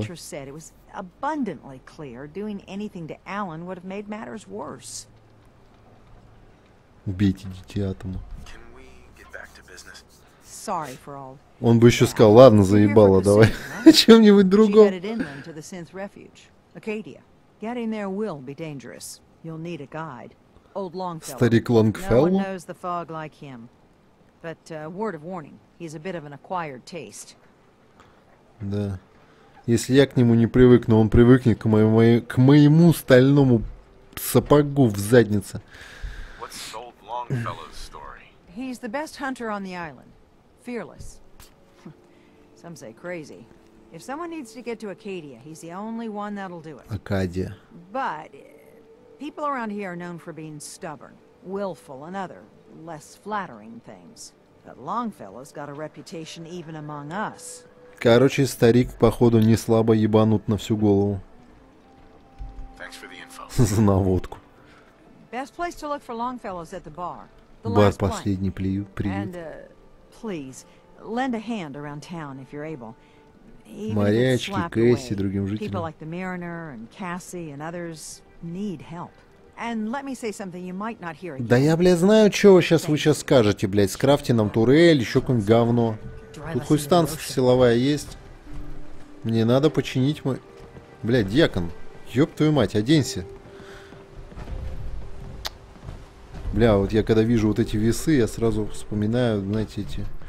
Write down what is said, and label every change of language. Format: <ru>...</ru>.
<en>It was abundantly clear doing anything to Alan would have made matters worse.</en> <ru>Убейте детей Атома.</ru> <en>Can we get back to business? Sorry for all.</en> <ru>Он бы еще сказал, ладно, заебало, давай чем-нибудь другом.</ru> <en>She headed inland to the synth refuge, Acadia. Getting there will be dangerous. You'll need a guide. Old Longfellow. No one knows the fog like him. But word of warning, he's a bit of an acquired taste.</en> <ru>Да. Если я к нему не привыкну, он привыкнет к моему стальному сапогу в заднице.</ru> <en>What's old Longfellow's story? He's the best hunter on the island. Fearless. Some say crazy. If someone needs to get to Acadia, he's the only one that'll do it. Acadia. But people around here are known for being stubborn, willful, and other less flattering things. But Longfellow's got a reputation even among us.</en> <ru>Короче, старик, походу, не слабо ебанут на всю голову.</ru> <en>Thanks for the info.</en> <ru>За наводку.</ru> <en>Best place to look for Longfellow's at the bar.</en> <ru>Бар последний привет.</ru> <en>And, please, lend a hand around town if you're able.</en> <ru>Морячки, Кэсси, другим жителям.</ru> <en>People like the Mariner and Cassie and others need help. And let me say something you might not hear again.</en> <ru>Да я, блядь, знаю, что вы сейчас скажете, блядь. Скрафти нам турель, еще какое-нибудь говно. Тут хоть станция силовая есть. Мне надо починить мой... Блядь, дьякон. Ёб твою мать, оденься. Бля, вот я когда вижу вот эти весы, я сразу вспоминаю, знаете, эти...</ru>